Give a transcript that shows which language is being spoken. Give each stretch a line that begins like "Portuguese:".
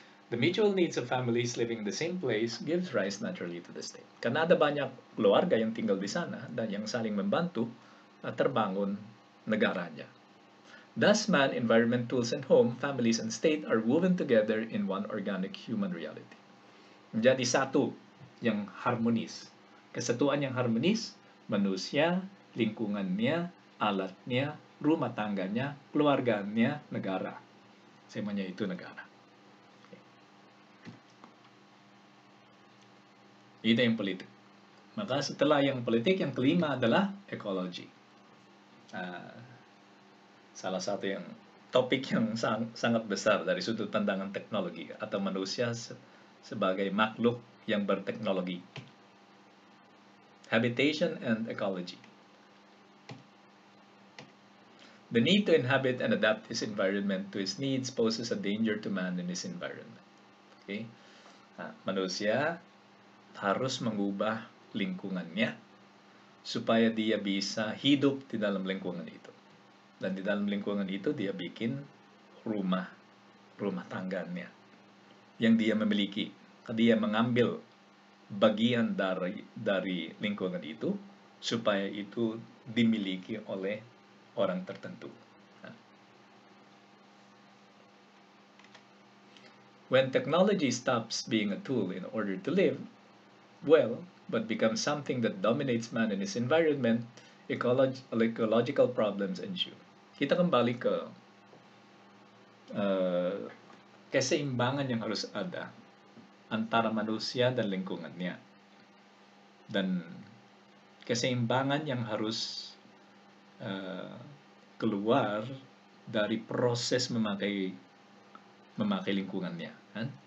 English: The mutual needs of families living in the same place gives rise naturally to the state.
Indonesian: Karena ada banyak keluarga yang tinggal di sana dan yang saling membantu terbangun negaranya.
English: Thus, man, environment, tools, and home, families, and state are woven together in one organic human reality.
Indonesian: Menjadi satu yang harmonis. Kesatuan yang harmonis, manusia, lingkungannya, alatnya, rumah tangganya, keluarganya, negara. Semuanya itu negara. Ini yang politik. Maka setelah yang politik, yang kelima adalah ekologi. Salah satu yang topik yang sangat besar dari sudut pandangan teknologi atau manusia sebagai makhluk yang berteknologi.
English: Habitation and ecology. The need to inhabit and adapt his environment to his needs poses a danger to man in his environment. Okay?
Indonesian: Manusia harus mengubah lingkungannya supaya dia bisa hidup di dalam lingkungan itu. Dan di dalam lingkungan itu dia bikin rumah tangganya yang dia memiliki. Dia mengambil bagian dari lingkungan itu supaya itu dimiliki oleh orang tertentu.
English: When technology stops being a tool in order to live well, but becomes something that dominates man and his environment, ecological problems ensue.
Indonesian: Kita kembali ke keseimbangan yang harus ada antara manusia dan lingkungannya. Dan keseimbangan yang harus keluar dari proses memakai lingkungannya. Kan?